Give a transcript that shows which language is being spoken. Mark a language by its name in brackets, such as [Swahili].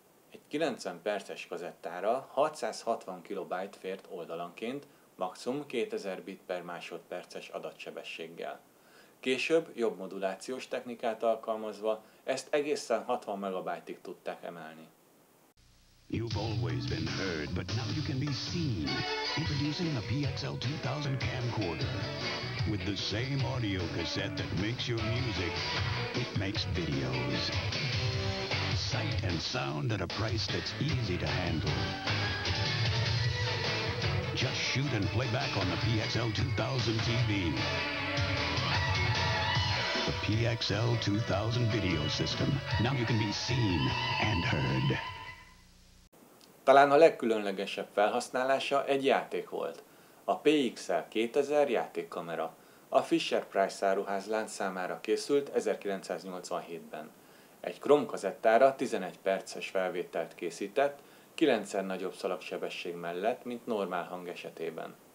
[Hungarian] Egy 90 perces kazettára 660 kilobájt fért oldalanként, maximum 2000 bit per másodperces adatsebességgel. Később, jobb modulációs technikát alkalmazva, ezt egészen 60 megabájtig tudták emelni. [English] You've always been heard, but now you can be seen. Introducing the PXL 2000 camcorder. With the same audio cassette that makes your music, it makes videos. Sight and sound at a price that's easy to handle. Just shoot and play back on the PXL 2000 TV. The PXL 2000 video system. Now you can be seen and heard. [Hungarian] Talán a legkülönlegesebb felhasználása egy játék volt. A PXL 2000 játékkamera. A Fisher-Price áruházlánc számára készült 1987-ben. Egy kromkazettára 11 perces felvételt készített, 9-szer nagyobb szalagsebesség mellett, mint normál hang esetében.